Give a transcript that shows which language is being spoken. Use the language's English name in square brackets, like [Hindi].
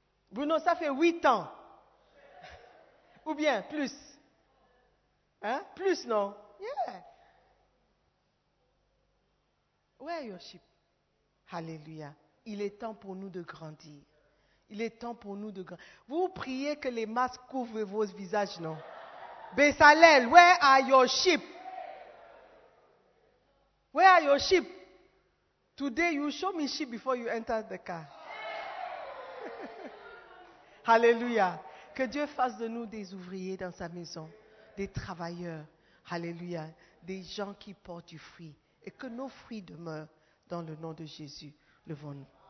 [French] Bruno, ça fait 8 ans. Ou bien plus. Hein? Plus, non? [English] Yeah. Where are your sheep? Alléluia. [French] Il est temps pour nous de grandir. Il est temps pour nous de grandir. Vous priez que les masques couvrent vos visages, non? [English] Bessalel, where are your sheep? Where are your sheep? Today, you show me sheep before you enter the car. [French] Alléluia. Que Dieu fasse de nous des ouvriers dans sa maison, des travailleurs, alléluia, des gens qui portent du fruit, et que nos fruits demeurent dans le nom de Jésus. Levons-nous.